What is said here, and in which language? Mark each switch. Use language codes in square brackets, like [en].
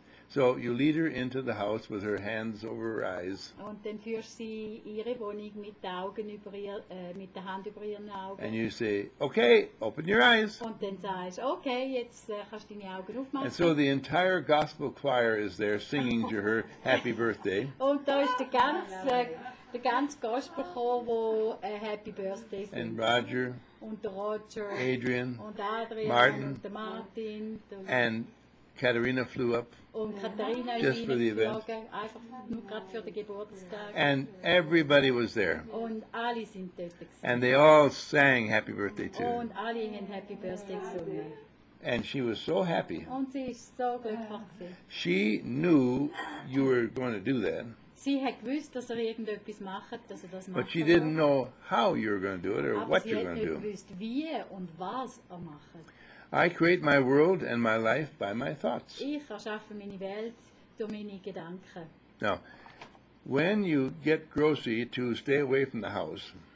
[en] So you lead her into the house with her hands over her eyes. [de] Und dann führst sie ihre Wohnung mit den Augen über ihr, mit der Hand über ihren Augen. [en] And you say, okay, open your eyes. [de] Und dann sagst du, okay, jetzt kannst du deine Augen aufmachen. [en] And so the entire gospel choir is there singing to her happy birthday. [de] Und da ist der ganze Gospelchor, wo happy birthday singt. [en] And Roger. [de] Und der Roger. [en] Adrian. [de] Und Adrian. [en] Martin. [de] Und der Martin. [en] And Katharina flew up. Und Katharina just for the event. [de] Einfach nur gerade für den Geburtstag. [en] And everybody was there. [de] Und alle sind dort. [en] And they all sang happy birthday too. [de] Und alle haben happy birthday gesungen. [en] And she was so happy. [de] Und sie ist so glücklich. [en] She knew you were going to do that. [de] Sie hat gewusst, dass er irgendetwas macht, dass er das macht. [en] But she didn't know how you were going to do it or [de] Aber [en] what you're going to do. [de] Aber sie hat nicht gewusst, wie und was er macht. [en] I create my world and my life by my thoughts. [de] Ich erschaffe meine Welt durch meine Gedanken. [en] Now, when you get Grossi to stay away from the house,